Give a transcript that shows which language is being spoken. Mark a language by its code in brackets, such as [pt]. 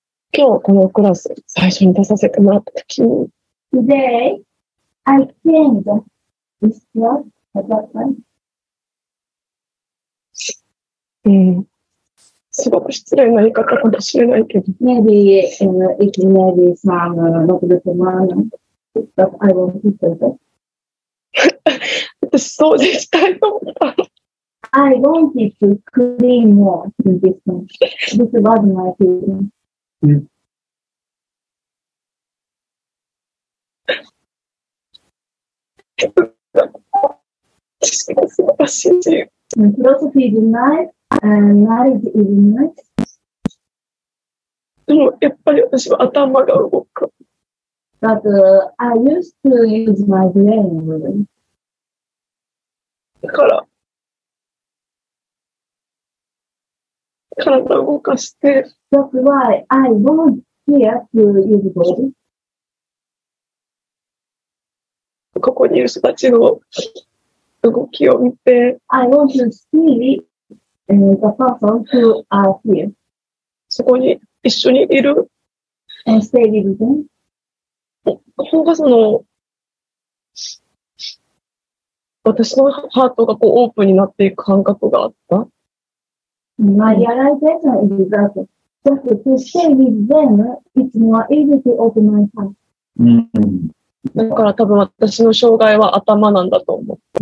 [ja] 今日このクラス最初に出させてもらった時に [en] Today, I came to this class at that time. [ja] すごく失礼な言い方かもしれないけど [en] Maybe, it may be some not good demand, but I won't be so good. [ja] 私掃除したいと思った。 [en] I wanted to clean more in this one. This was my feeling. Philosophy is nice, and marriage is nice. But I used to use my brain really. That's why I want here to use the body. [ja] ここにいる人たちの動きを見て [en] I want to see the person who are here. [ja] そこに一緒にいる [en] And stay with them. [ja] ここがその私のハートがこうオープンになっていく感覚があった。 [en] My realization is that just to stay with them, it's more easy to open my heart. [ja] だから多分私の障害は頭なんだと思う。